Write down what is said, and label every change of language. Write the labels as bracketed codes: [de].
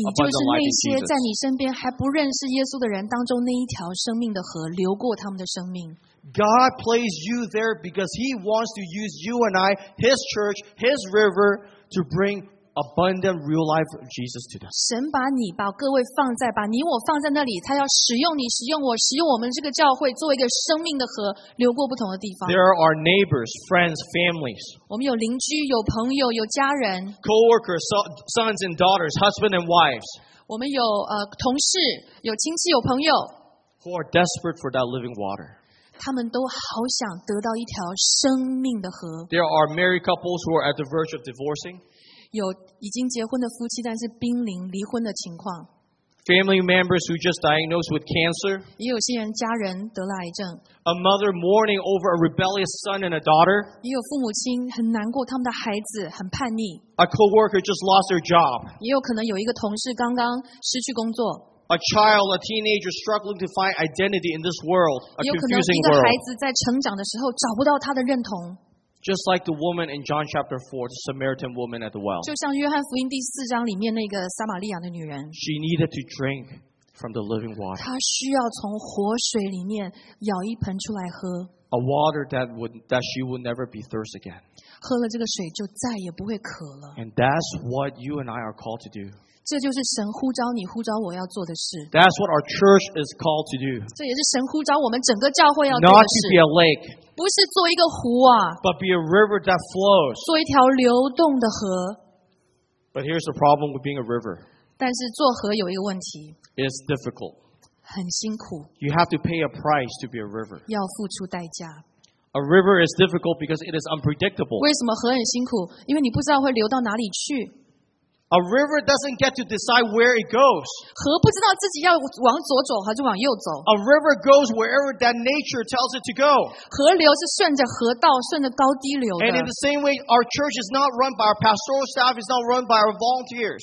[zh] 你就是那些在你身边还不认识耶稣的人当中那一条生命的河，流过他们的生命。 [en] God placed you there because He wants to use you and I, His church, His river, to bring abundant real life of Jesus to them. [zh] 神把你把各位放在把你我放在那里，他要使用你，使用我，使用我们这个教会，做一个生命的河，流过不同的地方。 [en] There are neighbors, friends, families. [zh] 我们有邻居，有朋友，有家人。 [en] Co-workers, sons and daughters, husband and wives. [zh] 我们有同事，有亲戚，有朋友。 [en] Who are desperate for that living water? [zh] 他们都好想得到一条生命的河。 [en] There are married couples who are at the verge of divorcing. [zh] 有已经结婚的夫妻，但是濒临离婚的情况。 [en] Family members who just diagnosed with cancer. [zh] 也有些人家人得了癌症。 [en] A mother mourning over a rebellious son and a daughter. [zh] 也有父母亲很难过，他们的孩子很叛逆。 [en] A coworker just lost their job. [zh] 也有可能有一个同事刚刚失去工作。 [en] A child, a teenager struggling to find identity in this world, a confusing world. [zh] 也有可能一个孩子在成长的时候找不到他的认同。 [en] Just like the woman in John chapter 4, the Samaritan woman at the well. [zh] 就像约翰福音第四章里面那个撒玛利亚的女人。 [en] She needed to drink from the living water. [zh] 她需要从活水里面舀一盆出来喝。 [en] A water that she would never be thirst again. [zh] 喝了这个水就再也不会渴了。 [en] And that's what you and I are called to do. [zh] 这就是神呼召你呼召我要做的事。 [en] That's what our church is called to do. [zh] 这也是神呼召我们整个教会要做的事。 [en] Not to be a lake. [zh] 不是做一个湖啊 [en] ，but be a river that flows， [zh] 做一条流动的河。 [en] But here's the problem with being a river。 [zh] 但是做河有一个问题 [en] ，it's difficult， [zh] 很辛苦。 [en] You have to pay a price to be a river， [zh] 要付出代价。 [en] A river is difficult because it is unpredictable. [zh] 为什么河很辛苦？因为你不知道会流到哪里去。 [en] A river doesn't get to decide where it goes. [zh] 河不知道自己要往左走还是往右走。 [en] A river goes wherever that nature tells it to go. [zh] 河流是顺着河道、顺着高低流的。 [en] And in the same way, our church is not run by our pastoral staff, it's not run by our volunteers.